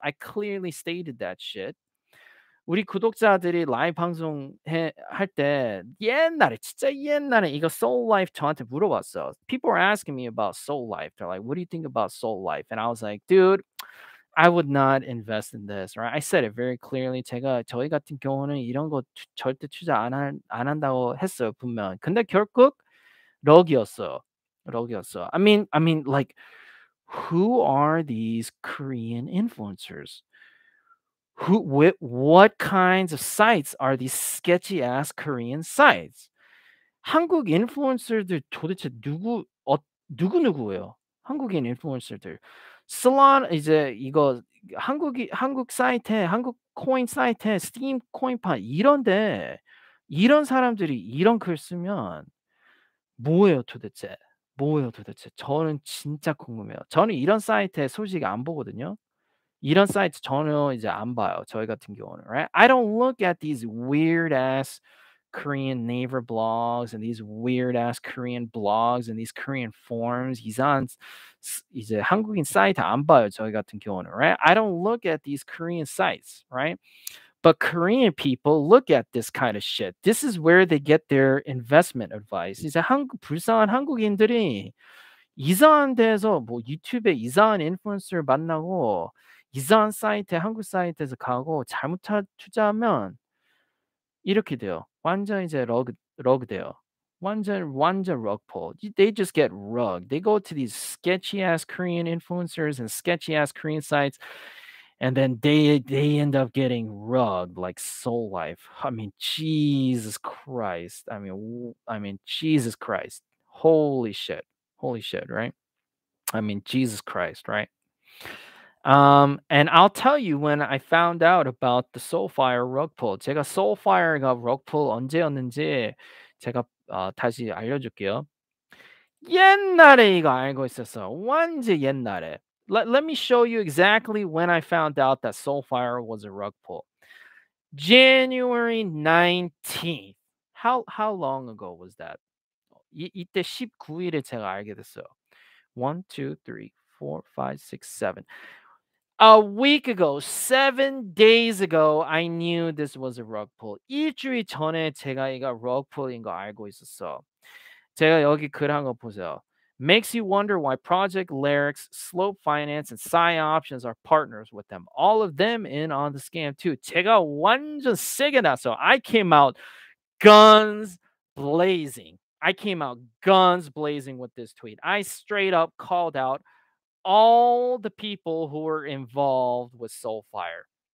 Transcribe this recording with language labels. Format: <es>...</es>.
<en>I clearly stated that shit.</en> <ko>우리 구독자들이 라이브 방송 할 때 옛날에 진짜 옛날에 이거 Soul Life 저한테 물어봤어.</ko> <en>People were asking me about Soul Life. They're like, "What do you think about Soul Life?" And I was like, "Dude, I would not invest in this." Right? I said it very clearly.</en> <ko>제가 저희 같은 경우는 이런 거 절대 투자 안 한다고 했어요 분명. 근데 결국 럭이었어.</ko> <en>I mean, like. Who are these Korean influencers? What kinds of sites are these sketchy ass Korean sites?</en> <ko>한국 인플루언서들 도대체 누구 누구예요? 한국인 인플루언서들. Solana 이제 이거 한국 사이트에 한국 코인 사이트에 스팀 코인판 이런데 이런 사람들이 이런 글 쓰면 뭐예요 도대체? 뭐예요 도대체? 저는 진짜 궁금해요. 저는 이런 사이트에 솔직히 안 보거든요. 이런 사이트 전혀 이제 안 봐요. 저희 같은 경우는,</ko> <en>right? I don't look at these weird ass Korean neighbor blogs and these weird ass Korean blogs and these Korean forums.</en> <ko>이상한 이제 한국인 사이트 안 봐요. 저희 같은 경우는,</ko> <en>right? I don't look at these Korean sites, right? But Korean people look at this kind of shit. This is where they get their investment advice.</en> <ko>이제 한국 불쌍한 한국인들이 이상한 데서 뭐 유튜브에 이상한 인플루언서를 만나고 이상한 사이트에 한국 사이트에서 가고 잘못한 투자하면 이렇게 돼요. 완전 이제 러그 돼요. 완전 럭포.</ko> <en>They just get rug. They go to these sketchy ass Korean influencers and sketchy ass Korean sites, and then they end up getting rugged like Soul Life. I mean, Jesus Christ. I mean, Jesus Christ. Holy shit. Holy shit, right? I mean, Jesus Christ, right? And I'll tell you when I found out about the Soulfire rug pull.</en> <ko>제가 Soulfire가 rug pull 언제였는지 제가 다시 알려줄게요. 옛날에 이거 알고 있었어. 완전 옛날에.</ko> <en>Let me show you exactly when I found out that Soulfire was a rug pull. January 19th. How long ago was that?</en> <ko>이때 19일에 제가 알게 됐어요. 1, 2, 3, 4, 5, 6, 7.</ko> <en>A week ago, 7 days ago, I knew this was a rug pull.</en> <ko>일주일 전에 제가 이거 rug pull인 거 알고 있었어. 제가 여기 글 한 거 보세요.</ko> <en>Makes you wonder why Project Larix, Slope Finance, and Psy Options are partners with them. All of them in on the scam too.</en> <ko>제가 완전 세게 났어.</ko> <en>I came out guns blazing. I came out guns blazing with this tweet. I straight up called out all the people who were involved with Soulfire.</en>